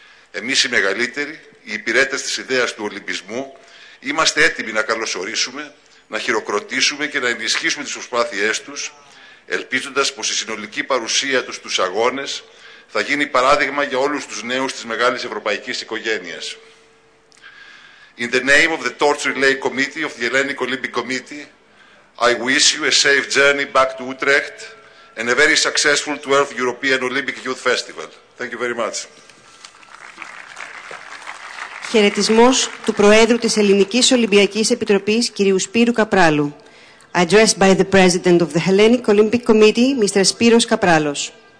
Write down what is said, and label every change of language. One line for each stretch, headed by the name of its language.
Greek: Εμείς οι μεγαλύτεροι, οι υπηρέτες της ιδέας του Ολυμπισμού, είμαστε έτοιμοι να καλωσορίσουμε, να χειροκροτήσουμε και να ενισχύσουμε τις προσπάθειές τους, ελπίζοντας πως η συνολική παρουσία τους στους αγώνες θα γίνει παράδειγμα για όλους τους νέους της μεγάλης ευρωπαϊκής οικογένειας.
English: In the name of the Torch Relay Committee of the Hellenic Olympic Committee, I wish you a safe journey back to Utrecht and a very successful 12th European Olympic Youth Festival. Thank you very much.
Greek: Χαιρετισμός του Προέδρου της Ελληνικής Ολυμπιακής Επιτροπής, κυρίου Σπύρου Καπράλου.
English: Addressed by the President of the Hellenic Olympic Committee, Mr. Spiros Kapralos.